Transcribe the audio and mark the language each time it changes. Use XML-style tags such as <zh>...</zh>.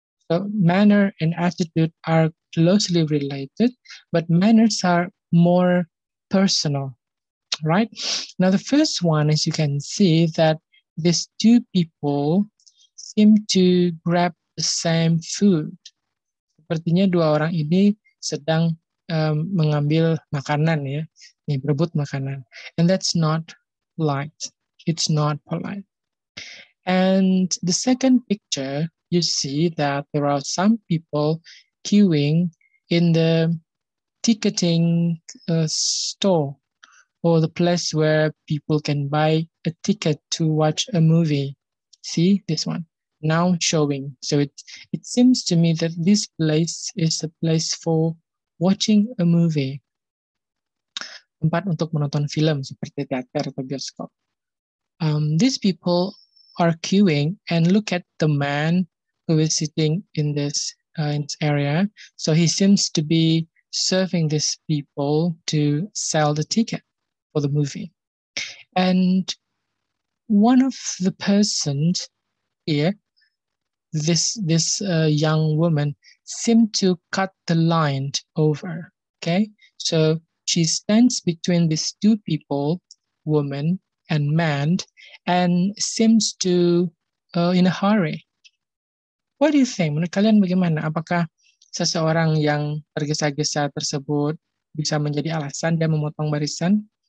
<en>So manner and attitude are closely related, but manners are more personal, right? Now, the first one, as you can see, that these two people seem to grab the same food.</en> <id>Sepertinya dua orang ini sedang mengambil makanan, ya. Ini berebut makanan.</id> <en>And that's not polite. It's not polite. And the second picture, you see that there are some people queuing in the ticketing store or the place where people can buy a ticket to watch a movie. See this one, now showing. So it seems to me that this place is a place for watching a movie. Tempat untuk menonton film seperti teater atau bioskop. These people are queuing and look at the man who is sitting in this area. So he seems to be serving these people to sell the ticket for the movie. And one of the persons here, this young woman, seemed to cut the line over. Okay, so she stands between these two people, woman and man, and seems to in a hurry. What do you think?</en> <id>Menurut kalian bagaimana? Apakah seseorang yang tergesa-gesa tersebut bisa menjadi alasan dia memotong barisan?</id>